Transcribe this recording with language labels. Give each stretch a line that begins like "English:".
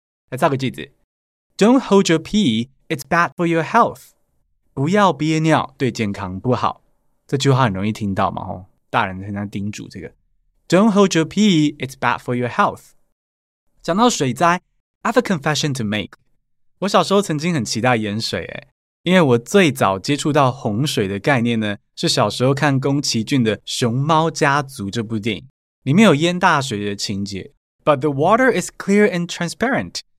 Chinese: 来造个句子，
English: Don't hold your pee, it's bad for your health。
Chinese: 不要憋尿，对健康不好。这句话很容易听到嘛，大人常常叮嘱这个，
English: Don't hold your pee, it's bad for your health.
Chinese: 讲到水灾
English: I have a confession to make.
Chinese: 我小时候曾经很期待淹水耶，因为我最早接触到洪水的概念呢，是小时候看宫崎骏的《熊猫家族》这部电影，里面有淹大水的情节。
English: But the water is clear and transparent.